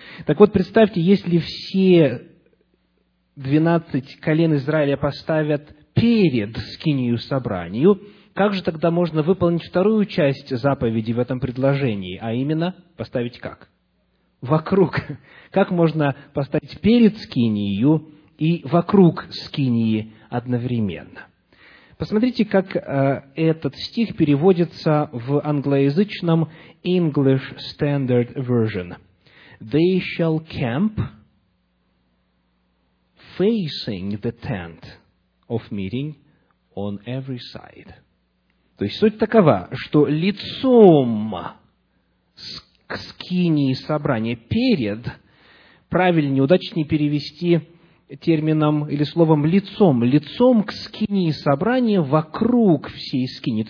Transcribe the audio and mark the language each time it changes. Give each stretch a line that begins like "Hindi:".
Russian: Так вот, представьте, если все 12 колен Израиля поставят перед скинию собранию, как же тогда можно выполнить вторую часть заповеди в этом предложении, а именно поставить как? Вокруг. Как можно поставить перед скинию и вокруг скинии одновременно? Посмотрите, как этот стих переводится в англоязычном English Standard Version.
English: They shall camp facing the tent of meeting on every side.
Russian: То есть суть такова, что лицом к скинии собрания перед, правильнее, удачнее перевести термином или словом «лицом», лицом к скинии собрания вокруг всей скинии.